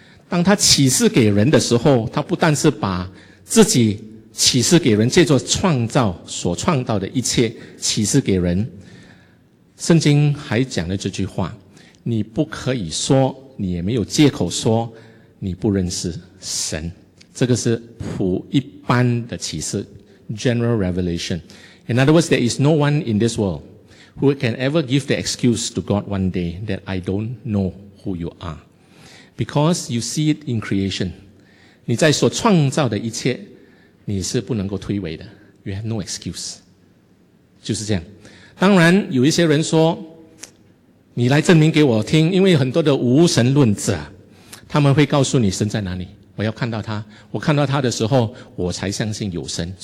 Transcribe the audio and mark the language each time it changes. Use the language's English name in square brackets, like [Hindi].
[Chinese] 当他启示给人的时候，他不但是把自己启示给人，借着创造所创造的一切启示给人，圣经还讲了这句话，你不可以说，你也没有借口说你不认识神。这个是普一般的启示， general revelation. [English] In other words, there is no one in this world who can ever give the excuse to God one day that I don't know who you are. Because you see it in creation. [Chinese] 你在所创造的一切你是不能够推诿的。 [English] You have no excuse. [Chinese] 就是这样。当然有一些人说，你来证明给我听，因为很多的无神论者他们会告诉你神在哪里，我要看到他，我看到他的时候我才相信有神。